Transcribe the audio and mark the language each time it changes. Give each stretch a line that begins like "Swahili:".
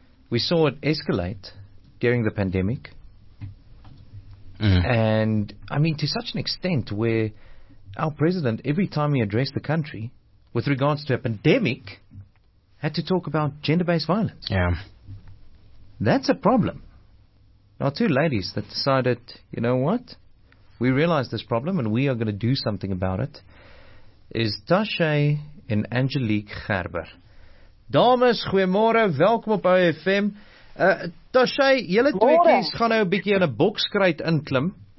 English: We saw it escalate during the pandemic. And, I mean, to such an extent where our president, every time he addressed the country with regards to a pandemic, had to talk about gender-based violence. Yeah. That's a problem. Now, two ladies that decided, you know what? We realize this problem and we are going to do something about it. Is Tashe and Angelique Gerber.
Afrikaans: Dames, goeiemôre, welkom op OFM. Tashe, julle tweeetjies gaan nou 'n bietjie in 'n bokskruit inklim.